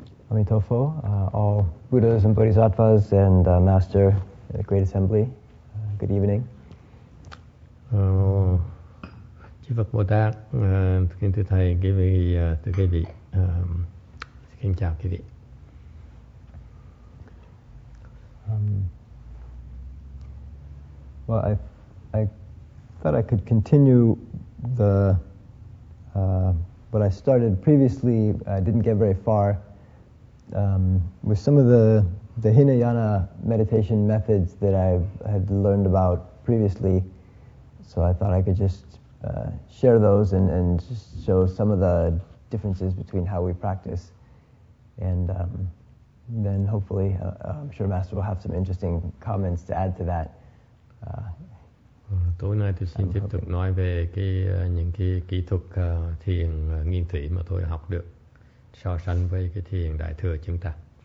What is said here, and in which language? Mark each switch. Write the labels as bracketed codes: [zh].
[en] Amitofo, all Buddhas and Bodhisattvas and Master in the Great Assembly, good evening. [vi] Chư Phật Bồ Tát, kính thưa thầy, quý vị, thưa quý vị, xin kính chào quý vị. [en] Well, I thought I could continue the what I started previously. I didn't get very far with some of the Hinayana meditation methods that I had learned about previously. So I thought I could just share those and just show some of the differences between how we practice, and then hopefully I'm sure Master will have some interesting comments to add to that. [vi] Tối nay tôi xin tiếp tục nói về cái những cái kỹ thuật thiền nguyên thủy mà tôi học được so sánh với cái thiền đại thừa chúng ta.